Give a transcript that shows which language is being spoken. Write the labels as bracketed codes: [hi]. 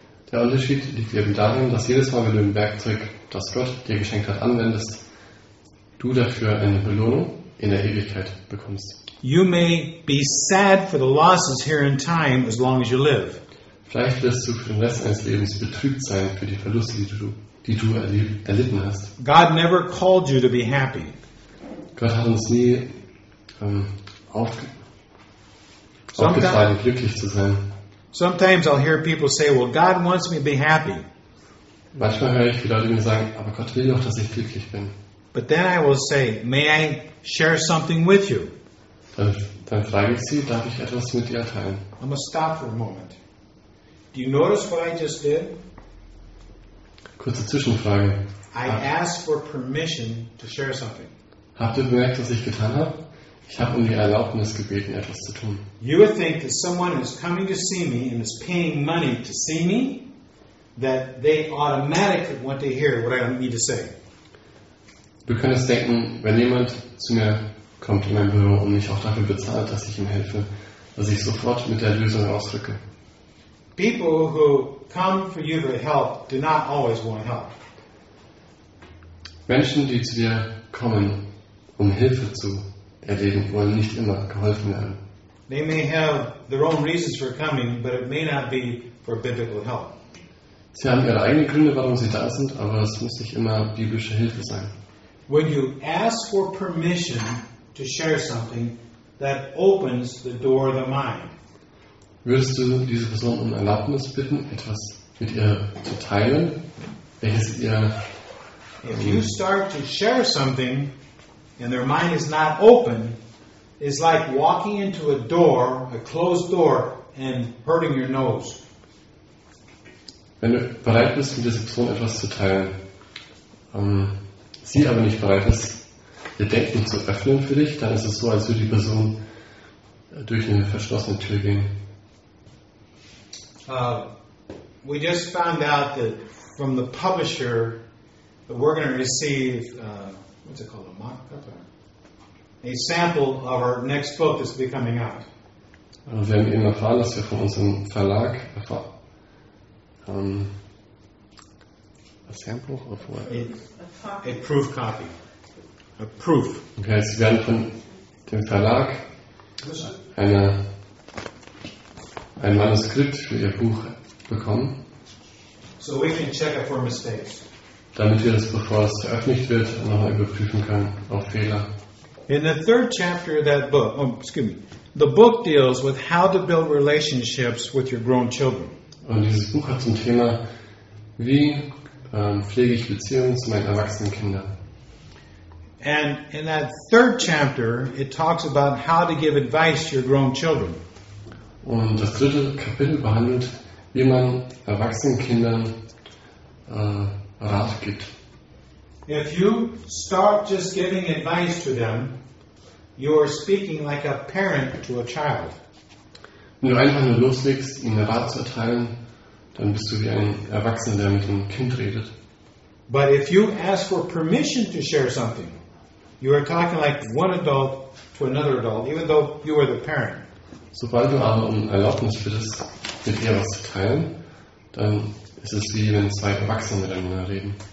[de] Der Unterschied liegt eben darin, dass jedes Mal, wenn du ein Werkzeug, das Gott dir geschenkt hat, anwendest, du dafür eine Belohnung in der Ewigkeit bekommst. [en] You may be sad for the losses here in time as long as you live. [de] Vielleicht wirst du für den Rest deines Lebens betrübt sein für die Verluste, die du erlitten hast. [en] God never called you to be happy. [de] Gott hat uns nie aufgetragen, glücklich zu sein. [en] Sometimes I'll hear people say, well, God wants me to be happy. [de] Manchmal höre ich, wie Leute mir sagen, aber Gott will doch, dass ich glücklich bin. [en] But then I will say, may I share something with you? [de] Dann frage ich sie, darf ich etwas mit dir teilen? [en] I'm going to stop for a moment. Do you notice what I just did? [de] Kurze Zwischenfrage. [en] I asked for permission to share something. [de] Habt ihr bemerkt, was ich getan habe? Ich habe um die Erlaubnis gebeten, etwas zu tun. [en] You would think that someone is coming to see me and is paying money to see me, that they automatically want to hear what I need to say. [de] Du könntest denken, wenn jemand zu mir kommt in mein Büro und mich auch dafür bezahlt, dass ich ihm helfe, dass ich sofort mit der Lösung ausdrücke. [en] People who come for you to help do not always want help. [de] Menschen, die zu dir kommen, um Hilfe zu erleben, wollen nicht immer geholfen werden. [en] They may have their own reasons for coming, but it may not be for biblical help. [de] Sie haben ihre eigenen Gründe, warum sie da sind, aber es muss nicht immer biblische Hilfe sein. [en] When you ask for permission to share something, that opens the door of the mind. [de] Würdest du diese Person um Erlaubnis bitten, etwas mit ihr zu teilen, welches ihr... [en] If you start to share something and their mind is not open, it's like walking into a door, a closed door, and hurting your nose. [de] Wenn du bereit bist, mit dieser Person etwas zu teilen, sie aber nicht bereit ist, ihr Denken zu öffnen für dich, dann ist es so, als würde die Person durch eine verschlossene Tür gehen. [en] We just found out that from the publisher that we're going to receive what's it called, a mock-up? A sample of our next book that's becoming out. [de] Wir haben eben erfahren, dass wir von unserem Verlag erfahren. [en] A sample of what? A proof copy. a proof. [de] Okay, sie werden von dem Verlag ein Manuskript für ihr Buch bekommen. [en] So we can check it for mistakes. [de] Damit wir das, bevor es veröffentlicht wird, nochmal überprüfen können auf Fehler. [en] In the third chapter of that book, the book deals with how to build relationships with your grown children. [de] Und dieses Buch hat zum Thema, wie pflege ich Beziehungen zu meinen erwachsenen Kindern. [en] And in that third chapter, it talks about how to give advice to your grown children. [de] Und das dritte Kapitel behandelt, wie man erwachsenen Kindern Rat gibt. [en] If you start just giving advice to them, you are speaking like a parent to a child. [de] Wenn du einfach nur loslegst, ihnen Rat zu erteilen, dann bist du wie ein Erwachsener, der mit einem Kind redet. [en] But if you ask for permission to share something, you are talking like one adult to another adult, even though you are the parent. [de] Sobald du aber um Erlaubnis bittest, mit ihr was zu teilen, dann ist es wie wenn zwei Erwachsene miteinander reden.